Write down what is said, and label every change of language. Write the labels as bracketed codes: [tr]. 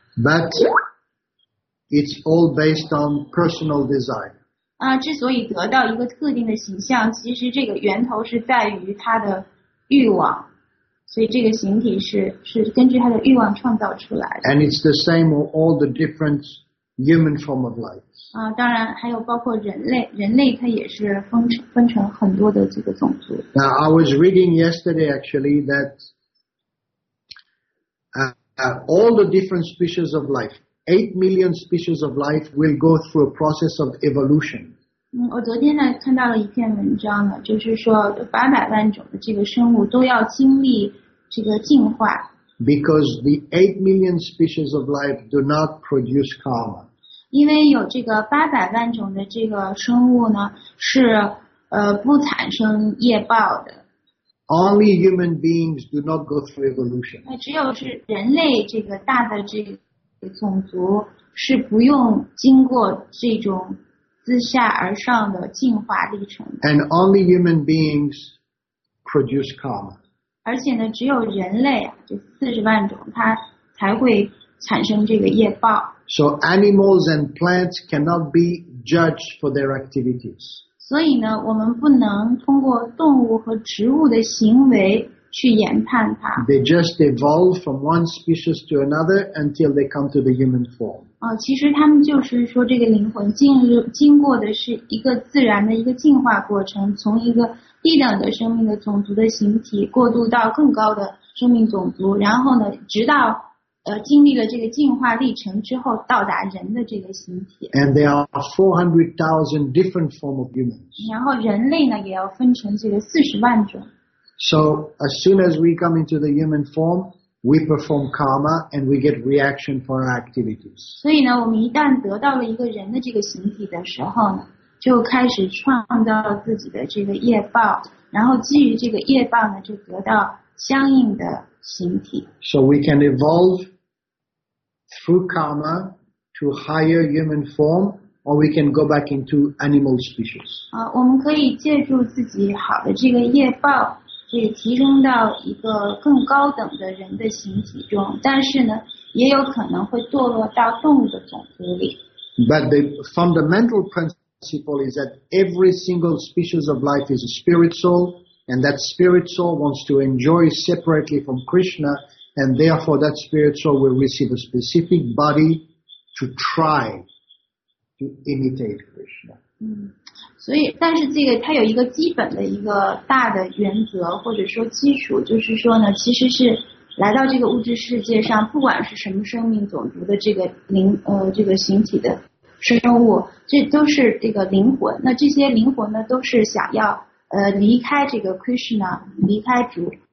[en] But it's all based on personal desire. [zh] 之所以得到一个特定的形象，其实这个源头是在于他的欲望，所以这个形体是根据他的欲望创造出来的。 [en] And it's the same with all the different human form of life. [zh] 当然还有包括人类它也是分成很多的这个种族。 [en] Now I was reading yesterday actually that all the different species of life, 8 million species of life will go through a process of evolution. [zh] 我昨天呢看到了一篇文章呢，就是说800万种的这个生物都要经历这个进化。 [en] Because the 8 million species of life do not produce karma. [zh] 因为有这个800万种的这个生物呢，是不产生业报的。 [en] Only human beings do not go through evolution. [zh] 只有是人类这个大的这个种族是不用经过这种自下而上的进化历程的。 [en] And only human beings produce karma. [zh] 而且呢，只有人类啊，这40万种，它才会产生这个业报。 [en] So animals and plants cannot be judged for their activities. [zh] 所以呢，我们不能通过动物和植物的行为去研判它。 [en] They just evolve from one species to another until they come to the human form. [zh] 其实他们就是说这个灵魂经过的是一个自然的一个进化过程，从一个低等的生命的种族的形体过渡到更高的生命种族，然后呢，直到经历了这个进化历程之后，到达人的这个形体。 [en] And there are 400,000 different form of humans. [zh] 然后人类呢，也要分成这个40万种。 [en] So as soon as we come into the human form, we perform karma and we get reaction for our activities. [zh] 所以呢，我们一旦得到了一个人的这个形体的时候呢，就开始创造了自己的这个业报，然后基于这个业报呢，就得到相应的。 [en] So we can evolve through karma to higher human form, or we can go back into animal species. [zh] 我们可以借助自己好的这个业报，也提升到一个更高等的人的形体中，但是呢，也有可能会堕落到动物的种族里。 [en] But the fundamental principle is that every single species of life is a spirit soul. And that spirit soul wants to enjoy separately from Krishna, and therefore that spirit soul will receive a specific body to try to imitate Krishna. [zh] 所以，但是这个它有一个基本的一个大的原则，或者说基础，就是说呢，其实是来到这个物质世界上，不管是什么生命种族的这个这个形体的生物，这都是这个灵魂。那这些灵魂呢，都是想要。离开这个 Krishna, 离开主,